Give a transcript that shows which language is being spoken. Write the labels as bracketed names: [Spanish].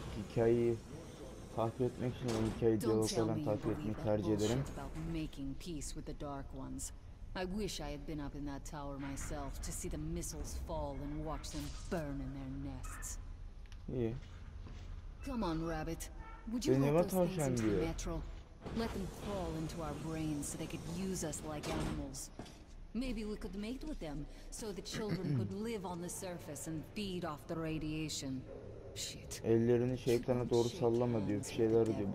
[Turkish] Hikayeyi takip etmek için o hikayeyi diyaloglardan takip etmeyi tercih ederim. [English] Making peace with the dark ones. I wish I had been up in that tower myself to see the missiles fall and watch them burn in their nests. [Turkish] İyi. [English] Come on, rabbit. Would you hold those things into the metro? Let them crawl into our brains so they could use us like animals. Maybe we could mate with them so the children could live on the surface and feed off the radiation. [Turkish] Ellerini şeytana doğru sallama diyor, bir şeyler diyor.